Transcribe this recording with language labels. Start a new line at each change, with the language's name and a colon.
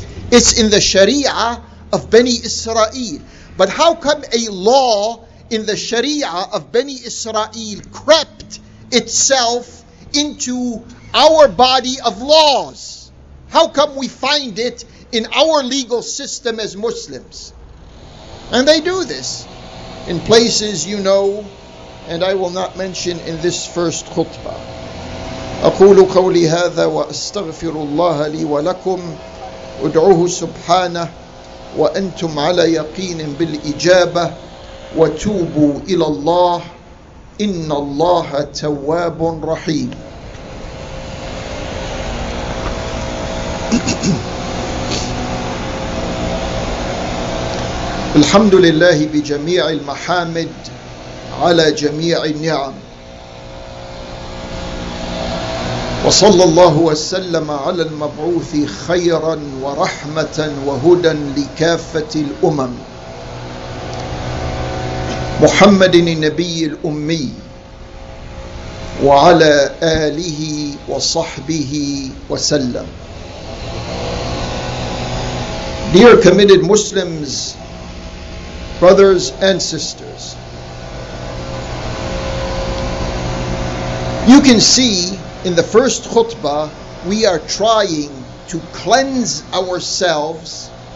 English: It's in the Sharia of Bani Israel. But how come a law in the Sharia of Bani Israel crept itself into our body of laws? How come we find it in our legal system as Muslims? And they do this in places, you know, and I will not mention in this first khutbah.
Arabic: أقول قولي هذا وأستغفر الله لي ولكم أدعوه سبحانه وأنتم على يقين بالإجابة وتوبوا إلى الله إن الله تواب رحيم. الحمد لله بجميع المحامد على جميع النعم وصلى الله وسلم على المبعوث خيرا ورحمة وهدى لكافة الأمم محمد النبي الأمي وعلى آله وصحبه وسلم.
English: Dear committed Muslims, brothers and sisters, you can see in the first khutbah we are trying to cleanse ourselves